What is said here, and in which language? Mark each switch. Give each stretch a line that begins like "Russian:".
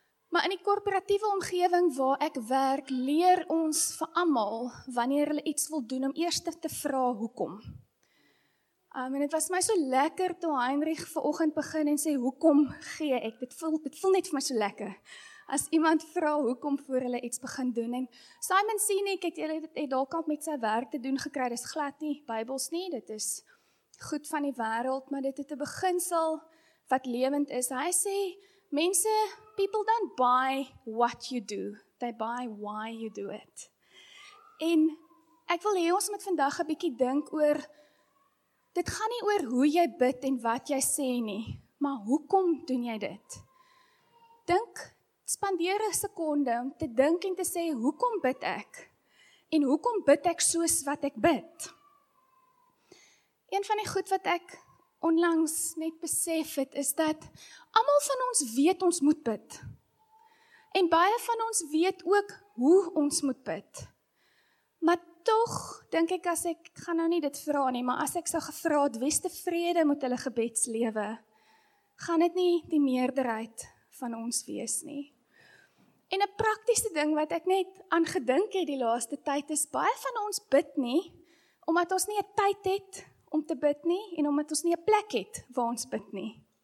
Afrikaans: Maar in die korporatiewe omgewing waar ek werk, leer ons vir almal wanneer hulle iets wil doen om eers te vra hoekom. En dit was my so lekker toe Heinrich vanoggend begin en sê hoekom gee ek. Dit voel net vir my so lekker. As iemand vra hoekom voor hulle iets begin doen. En Simon Sinek het dalk al met sy werk te doen gekry. Dis glad nie Bybels nie, dit is goed van die wêreld, maar dit het 'n beginsel wat lewend is. Hy sê, mense,
English: people don't buy what you do, they buy why you do it.
Afrikaans: En ek wil hê ons moet vandag 'n bietjie dink oor, dit gaan nie oor hoe jy bid en wat jy sê nie, maar hoekom doen jy dit? Dink, spandeer 'n sekonde om te dink en te sê, hoekom bid ek? En hoekom bid ek soos wat ek bid? Een van die goed wat ek onlangs net besef het, is dat almal van ons weet ons moet bid. En baie van ons weet ook hoe ons moet bid. Maar tog, dink ek as ek gaan nou nie dit vra nie, maar as ek sou gevra het, wie se vrede met hulle gebedslewe, gaan dit nie die meerderheid van ons wees nie. En 'n praktiese ding wat ek net aan gedink het die laaste tyd is, baie van ons bid nie, omdat ons nie 'n tyd het om te bid nie, en omdat ons nie 'n plek het waar ons bid nie.